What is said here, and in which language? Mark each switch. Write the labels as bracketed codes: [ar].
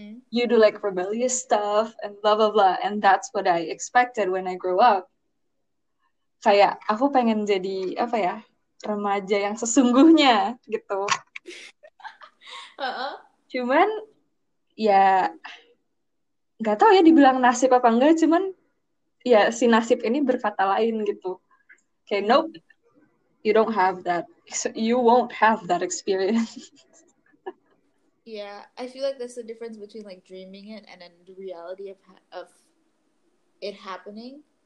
[en] You do like rebellious stuff and blah blah blah and that's what I expected when I grew up. [id] Kayak aku pengen jadi apa ya? Remaja yang sesungguhnya gitu. Cuman ya nggak tahu ya dibilang nasib apa enggak, cuman ya si nasib ini berkata lain gitu. Kayak [en] nope, you don't have that, you won't have that experience. Yeah, I feel like there's a difference between like dreaming it and then the reality of it happening.